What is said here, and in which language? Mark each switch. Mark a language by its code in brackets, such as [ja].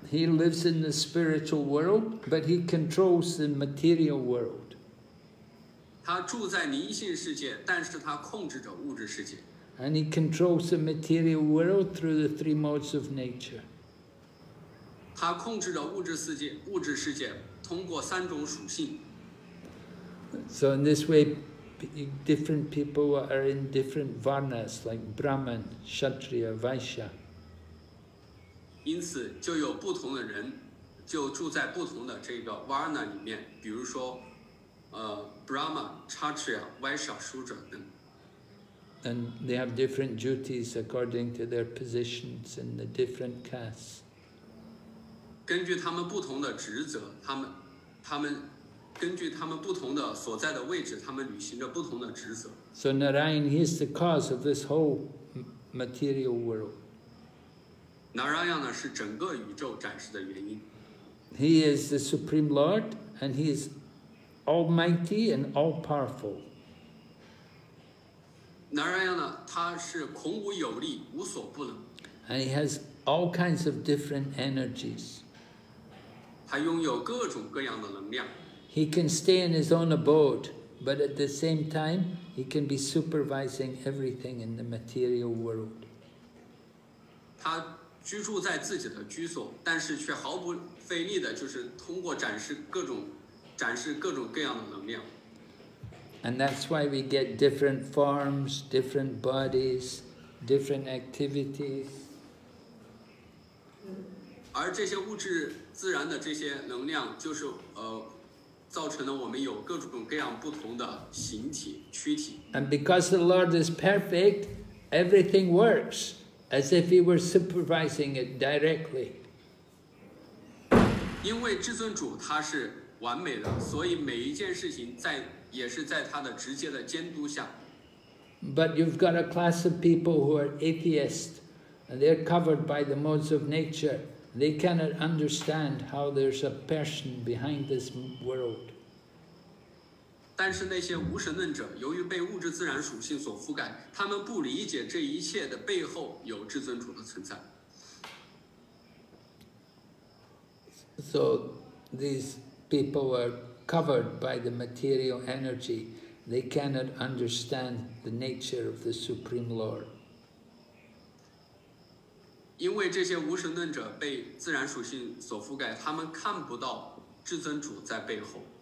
[en] He lives in the spiritual world, but he controls the material world. [zh] 他住在灵性世界，但是他控制着物质世界。 [en] And he controls the material world through the three modes of nature. [zh] 他控制着物质世界通过三种属性。 [en] So in this way, different people are in different varnas, like Brahman, Kshatriya, Vaishya. [zh] 因此就有不同的人，就住在不同的这个 varna 里面，比如说。 [en] Brahma, Kshatriya, Vaishya, Shudra, and they have different duties according to their positions in the different castes. [zh] 根据他们不同的职责，他们根据他们不同的所在的位置，他们履行着不同的职责。 [en] So Narayan, he is the cause of this whole material world. [zh] Narayan 呢是整个宇宙展示的原因。 [en] He is the Supreme Lord, and he is. Almighty and all-powerful. [zh] Narayana, 他是孔武有力，无所不能。 [en] And he has all kinds of different energies. [zh] 他拥有各种各样的能量。 [en] He can stay in his own abode, but at the same time, he can be supervising everything in the material world. [zh] 他居住在自己的居所，但是却毫不费力的，就是通过展示各种各样的能量。 [en] And that's why we get different forms, different bodies, different activities. [zh] 而这些物质自然的这些能量就是造成了我们有各种各样不同的形体、躯体。 [en] And because the Lord is perfect, everything works as if he were supervising it directly. [zh] 因为至尊主他是完美的，所以每一件事情在也是在他的直接的监督下。 [en] But you've got a class of people who are atheists, and they're covered by the modes of nature. They cannot understand how there's a person behind this world. [zh] 但是那些无神论者，由于被物质自然属性所覆盖，他们不理解这一切的背后有至尊主的存在。 [en] So these people are covered by the material energy. They cannot understand the nature of the Supreme Lord. [zh] 因为这些无神论者被自然属性所覆盖，他们看不到至尊主在背后。